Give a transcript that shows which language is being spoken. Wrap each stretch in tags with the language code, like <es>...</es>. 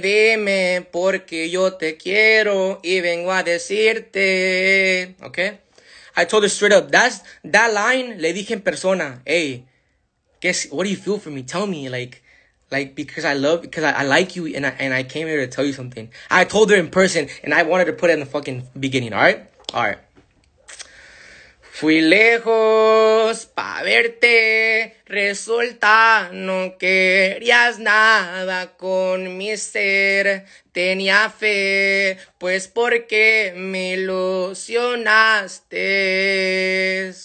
<es>Dime, porque yo te quiero y vengo a decirte.</es> <en>Okay? I told her straight up. That's that line, le dije en persona. Hey, guess what do you feel for me? Tell me, like because I love, because I like you and I came here to tell you something. I told her in person and I wanted to put it in the fucking beginning, all right? All right.</en> <es>Fui lejos pa verte, resulta no querías nada con mi ser. Tenía fe, pues porque me ilusionaste.</es>